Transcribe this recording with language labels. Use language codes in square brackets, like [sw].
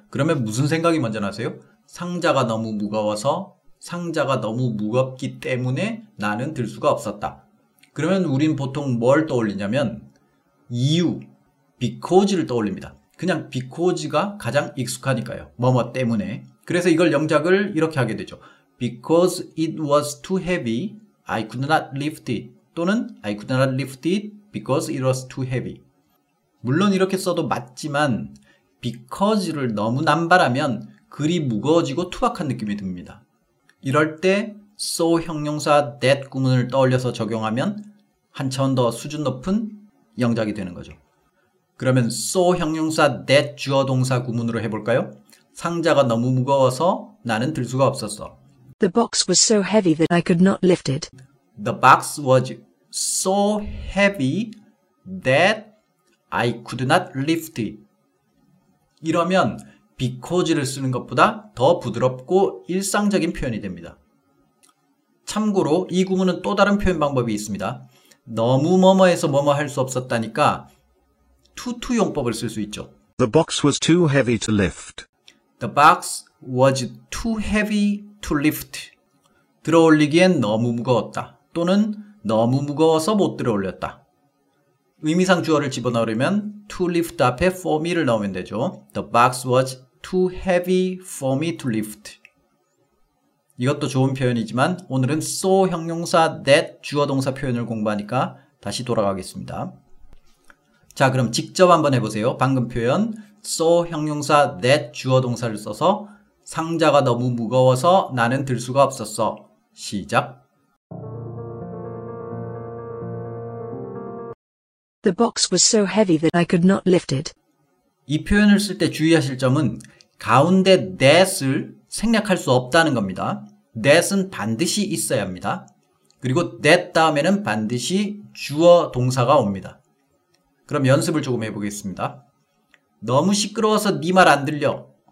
[ko] 그러면 무슨 생각이 먼저 나세요? 상자가 너무 무거워서, 상자가 너무 무겁기 때문에 나는 들 수가 없었다. 그러면 우린 보통 뭘 떠올리냐면 이유, because를 떠올립니다. 그냥 because가 가장 익숙하니까요. 뭐뭐 때문에. 그래서 이걸 영작을 이렇게 하게 되죠. [en] Because it was too heavy, I could not lift it. [ko] 또는 [en] I could not lift it because it was too heavy. [ko] 물론 이렇게 써도 맞지만 because를 너무 남발하면 글이 무거워지고 투박한 느낌이 듭니다. 이럴 때 so 형용사 that 구문을 떠올려서 적용하면 한 차원 더 수준 높은 영작이 되는 거죠. 그러면 so 형용사 that 주어 동사 구문으로 해볼까요? 상자가 너무 무거워서 나는 들 수가 없었어. [en] The box was so heavy that I could not lift it. The box was so heavy that I could not lift it. [ko] 이러면 because를 쓰는 것보다 더 부드럽고 일상적인 표현이 됩니다. 참고로 이 구문은 또 다른 표현 방법이 있습니다. 너무 뭐뭐해서 뭐뭐 할 수 없었다니까 to 용법을 쓸 수 있죠. [en] The box was too heavy to lift. The box was too heavy to lift. [ko] 들어올리기엔 너무 무거웠다. 또는 너무 무거워서 못 들어올렸다. 의미상 주어를 집어넣으려면 to lift 앞에 for me를 넣으면 되죠. [en] The box was too heavy for me to lift. [ko] 이것도 좋은 표현이지만 오늘은 so 형용사 that 주어동사 표현을 공부하니까 다시 돌아가겠습니다. 자, 그럼 직접 한번 해보세요. 방금 표현 so 형용사 that 주어동사를 써서 상자가 너무 무거워서 나는 들 수가 없었어. 시작. [en] The box was so heavy that I could not lift it. [ko] 이 표현을 쓸 때 주의하실 점은 가운데 that을 생략할 수 없다는 겁니다. that은 반드시 있어야 합니다. 그리고 that 다음에는 반드시 주어 동사가 옵니다. 그럼 연습을 조금 해보겠습니다. 너무 시끄러워서 네 말 안 들려.